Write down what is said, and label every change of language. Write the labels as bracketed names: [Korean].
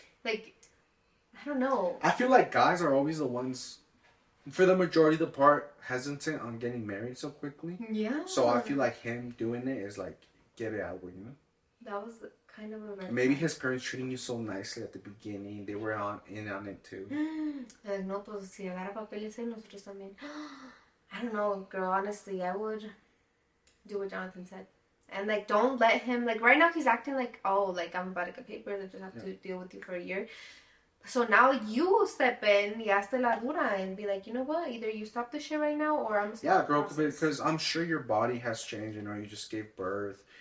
[English] Like, I don't know. I feel like guys are always the ones, for the majority of the part, hesitant on getting married so quickly. Yeah. So I feel like him doing it is like, get it out with you. That was kind of a red flag. Maybe his parents treating you so nicely at the beginning. They were in on it too. [Spanish] No, pues si agarra papeles y nosotros también. [English] I don't know, girl. Honestly, I would do what Jonathan said. And like, don't let him, like, right now he's acting like, oh, like, I'm about to get papers. I just have to deal with you for a year. So now you step in, [Spanish] y hasta la dura, [English] and be like, you know what? Either you stop the shit right now, or I'm gonna stop. Yeah, girl, because I'm sure your body has changed. You know, you just gave birth.